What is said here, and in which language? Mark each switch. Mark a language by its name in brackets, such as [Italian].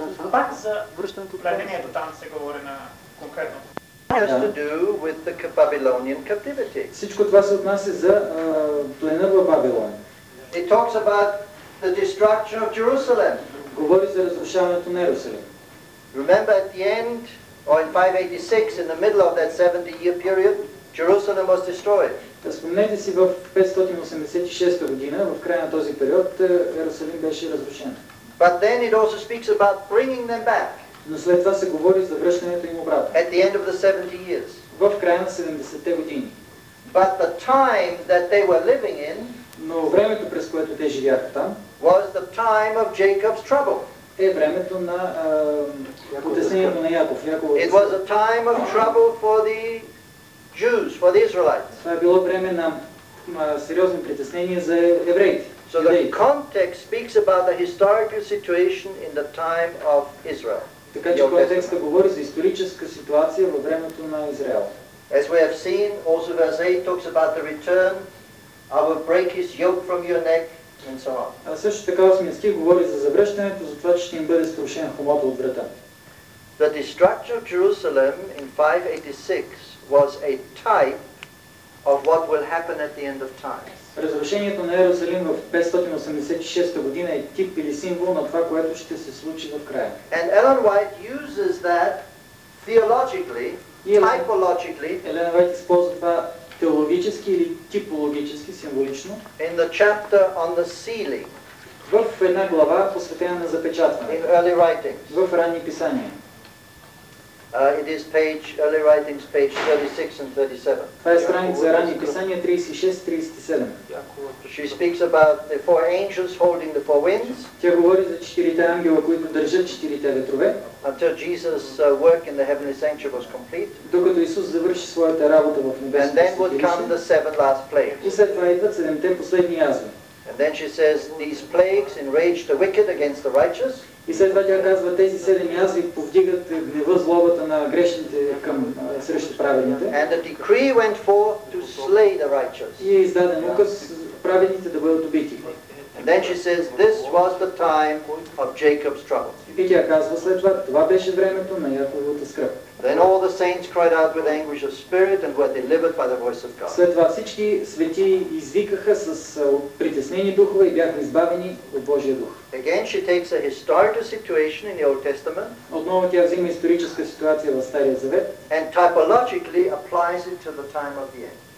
[Bulgarian] Пак за пленението, там се говори на конкретно. [English] Has to do with the Babylonian captivity. [Bulgarian] Всичко това се отнася за плена в Бабилон. [English] It talks about the destruction of Jerusalem. [Bulgarian] Говори за разрушаването на Йерусалим. [English] Remember at the end, or in 586, in the middle of that 70-year period, Jerusalem was destroyed. [Bulgarian] Да спомнете си, в 586 година, в края на този период, Йерусалим беше разрушен. [English] But then it also speaks about bringing them back. [Bulgarian] Но след това се говори за връщането им обратно. [English] At the end of the 70 years. [Bulgarian] В края на 70-те години. [English] But the time that they were living in, [Bulgarian] но времето, през което те живяха там, [English] was the time of Jacob's trouble. [Bulgarian] Е времето на потеснението на Яков. [English] It was a time of trouble for the Jews, for the Israelites. [Bulgarian] Това е било време на сериозни притеснения за евреите. [English] So the context speaks about the historical situation in the time of Israel. [Bulgarian] Така че контекстът говори за историческа ситуация във времето на Израел. [English] As we have seen, also verse 8 talks about the return, I will break his yoke from your neck, and so on. [Bulgarian] А също така 8 стих говори за завръщането, за това, че ще им бъде струшен хомото от врата. [English] The destruction of Jerusalem in 586 was a type of what will happen at the end of time. [Bulgarian] Разрушението на Йерусалим в 586 година е тип или символ на това, което ще се случи в края. [English] And Ellen White uses that theologically, typologically. [Bulgarian] Елена Вайт използва това теологически или типологически, символично. [English] In the chapter on the sealing. [Bulgarian] В една глава, посветена на запечатване. [English] In early writings. [Bulgarian] В ранни писания. [English] It is page, early writings, page 36 and 37. [Bulgarian] Това е страница за ранни писания 36-37. [English] She speaks about the four angels holding the four winds. [Bulgarian] Тя говори за четирите ангела, които държат четирите ветрове. [English] Until Jesus' work in the heavenly sanctuary was complete. [Bulgarian] Докато Исус завърши своята работа в небесното святилище. [English] And then would come the seven last plagues. [Bulgarian] И след това идват седемте последни язви. [English] And then she says, these plagues enrage the wicked against the righteous. [Bulgarian] И след това тя казва, тези седем язви повдигат гнева, злобата на грешните към срещу праведните. [English] And the decree went forth to slay the righteous. [Bulgarian] И издаден указ праведните да бъдат убити. [English] And then she says, this was the time of Jacob's trouble. [Bulgarian] И тя казва след това, това беше времето на Яковата скръб. [English] Then all the saints cried out with anguish of spirit and were delivered by the voice of God. [Bulgarian] След това всички свети извикаха с притеснени духове и бяха избавени от Божия дух. [English] Again she takes a historical situation in the Old Testament. [Bulgarian] Отново тя взима историческа ситуация в Стария Завет. [English] And typologically applies it to the time of the end.